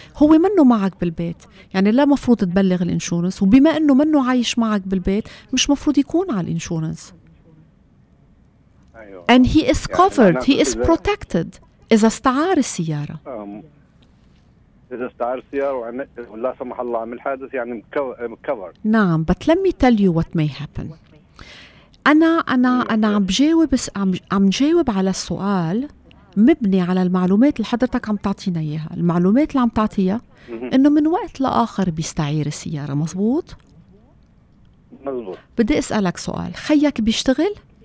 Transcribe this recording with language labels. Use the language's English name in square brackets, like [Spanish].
[Arabic] هو منه معك بالبيت، يعني لا مفروض تبلغ الإنشورنس، وبما أنه منه عايش معك بالبيت مش مفروض يكون على الإنشورنس. [English] And he is covered, he is protected [Arabic] إذا استعار السيارة. إذا استعار السيارة ولا سمح الله عمل حادث يعني covered. نعم، [English] but let me tell you what may happen. [Arabic] أنا عم جاوب على السؤال مبني على المعلومات اللي حضرتك عم تعطينا إياها. المعلومات اللي عم تعطيها إنه من وقت لآخر بيستعير السيارة، مظبوط؟ مظبوط. بدي أسألك سؤال، خيك بيشتغل؟